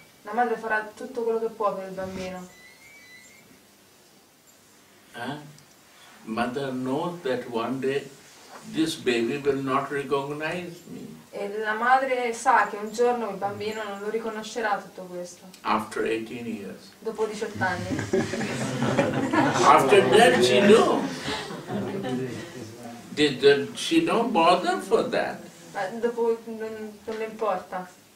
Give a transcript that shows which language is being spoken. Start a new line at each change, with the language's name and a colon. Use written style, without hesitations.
Italian: La madre farà tutto quello che può per il bambino. Eh?
English: mother knows that one day this baby will not recognize me.
Italian: E la madre sa che un giorno il bambino non lo riconoscerà tutto questo.
English: After 18 years.
Italian: Dopo 18 anni.
English: After that she knew. Did she don't bother for that?
Italian: Ma dopo non le importa.